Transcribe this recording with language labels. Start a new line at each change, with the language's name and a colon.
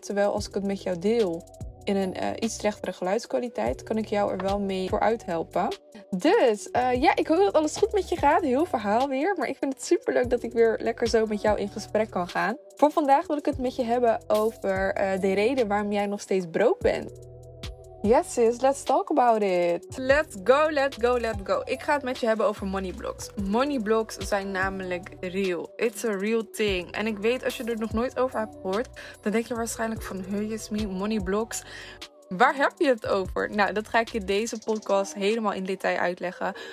Dutch: Terwijl als ik het met jou deel in een iets slechtere geluidskwaliteit, kan ik jou er wel mee vooruit helpen. Dus ja, ik hoop dat alles goed met je gaat. Heel verhaal weer. Maar ik vind het super leuk dat ik weer lekker zo met jou in gesprek kan gaan. Voor vandaag wil ik het met je hebben over de reden waarom jij nog steeds broke bent.
English: Yes sis, let's talk about it. Let's go, let's go, let's go.
Dutch: Ik ga het met je hebben over money blocks. Money blocks zijn namelijk real.
English: It's a real thing.
Dutch: En ik weet, als je er nog nooit over hebt gehoord, dan denk je waarschijnlijk van,
English: hey, it's me, money blocks.
Dutch: Waar heb je het over? Nou, dat ga ik je deze podcast helemaal in detail uitleggen.